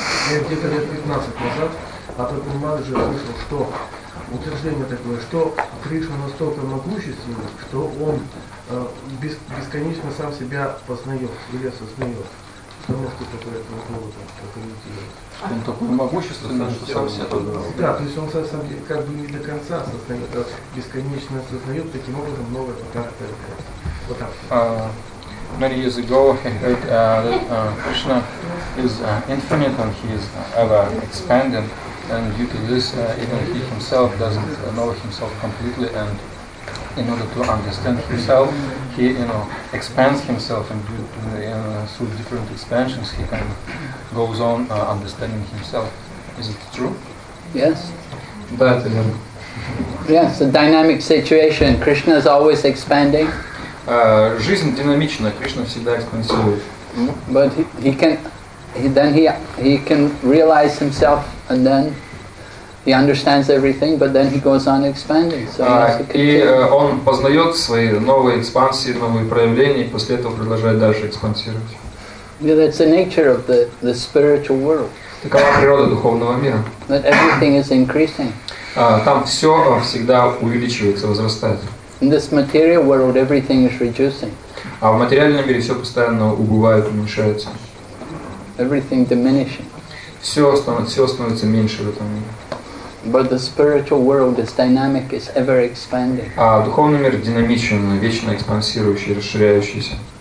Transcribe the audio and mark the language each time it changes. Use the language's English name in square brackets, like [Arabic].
[Russian] Я где-то лет 15 назад, а то понимаю, уже слышал, что утверждение такое, что Кришна настолько могущественный, что он бесконечно сам себя познает или осознает. Что может такое поводу прокомментировать? Он такой могущественный, что сам себя. Да, то есть он сам как бы не до конца осознает, а бесконечно осознает, таким образом много контакта. Вот так. [English] Many years ago, he heard that Krishna is infinite and he is ever expanding, and due to this, even he himself doesn't know himself completely. And in order to understand himself, he, you know, expands himself, and through different expansions, he can goes on understanding himself. Is it true? Yes. But yes, a dynamic situation. Krishna is always expanding. [Russian] Жизнь динамична, Кришна всегда экспансирует. [English] But he can realize himself, and then he understands everything, but then he goes on expanding. So [Russian] он познает свои новые экспансии, новые проявления, и после этого продолжает дальше экспансировать. [English] Yeah, that's the nature of the spiritual world. [Russian] Такова природа духовного мира. [English] That everything is increasing. [Russian] Там все всегда увеличивается, возрастает. [English] In this material world, everything is reducing. [Russian] А в материальном мире все постоянно убывает, уменьшается. [English] Everything diminishing. [Russian] Все становится меньше в этом мире. [English] But the spiritual world is dynamic, is ever expanding. [Russian] А духовный мир динамичен, вечно экспансирующий, расширяющийся.